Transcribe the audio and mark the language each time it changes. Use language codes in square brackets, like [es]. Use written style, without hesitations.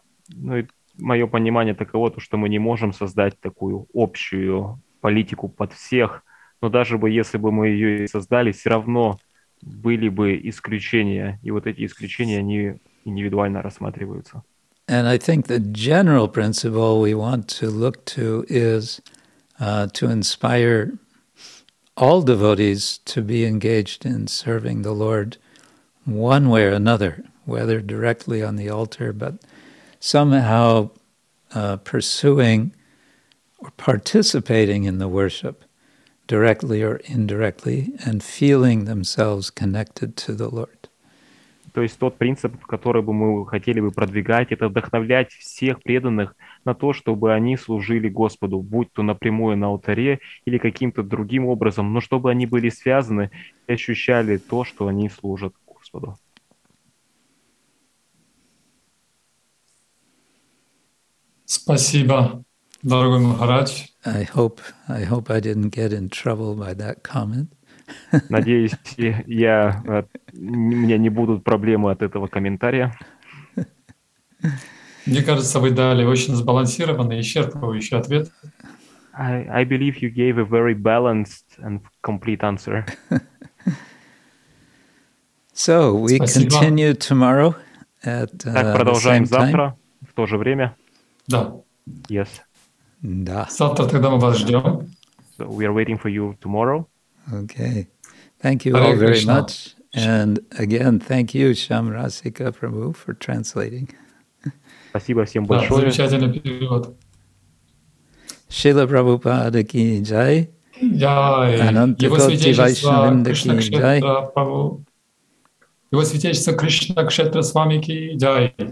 [ru] Ну, моё понимание таково, то, что мы не можем создать такую общую политику под всех, но даже бы если бы мы её и создали, всё равно были бы исключения, и вот эти исключения они индивидуально рассматриваются. [en] And I think the general principle we want to look to is to inspire all devotees to be engaged in serving the Lord one way or another, whether directly on the altar, but somehow pursuing or participating in the worship directly or indirectly and feeling themselves connected to the Lord. [ru] То есть тот принцип, который бы мы хотели бы продвигать, это вдохновлять всех преданных на то, чтобы они служили Господу, будь то напрямую на алтаре или каким-то другим образом, но чтобы они были связаны и ощущали то, что они служат Господу. Спасибо, дорогой Махарадж. [en] I hope I didn't get in trouble by that comment. [ru] Надеюсь, у меня не будут проблемы от этого комментария. Мне кажется, вы дали очень сбалансированный и исчерпывающий ответ. [en] I believe you gave a very balanced and complete answer. So we [ru] Спасибо. [en] Continue tomorrow at [ru] так, продолжаем завтра в то же время. Да. [en] Yes. [ru] Да. Завтра тогда мы вас ждем. [en] So we are waiting for you tomorrow. Okay. Thank you all very much. And again, thank you, Shyam Rasika Prabhu, for translating. [ru] Спасибо всем большое. Замечательный перевод. Шрила Прабхупада ки джай. Джай. Его святейшество Кришна Кшетра Прабху. Его святейшество Кришна Кшетра Свами ки джай.